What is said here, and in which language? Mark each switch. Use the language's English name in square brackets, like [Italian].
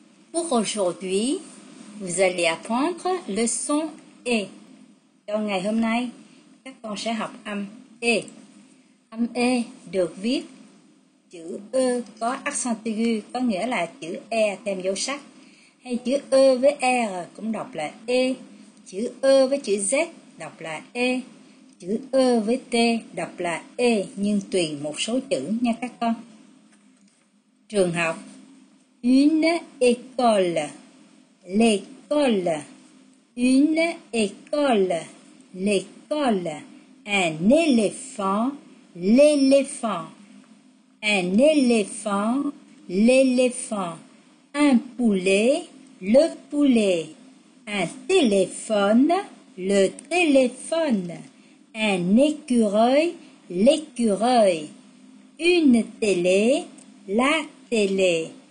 [French] Pour aujourd'hui, vous allez apprendre le son E. [Vietnamese] Trong ngày hôm nay, các con sẽ học âm E. Âm E được viết chữ E có accent aigu, có nghĩa là chữ E thêm dấu sắc. Hay chữ E với R cũng đọc là E. Chữ E với chữ Z đọc là E. Chữ E với T đọc là E, nhưng tùy một số chữ nha các con. Trường học. [French] Une école, l'école, une école, l'école, un éléphant, l'éléphant, un poulet, le poulet, le téléphone, un écureuil, l'écureuil, une télé, la télé.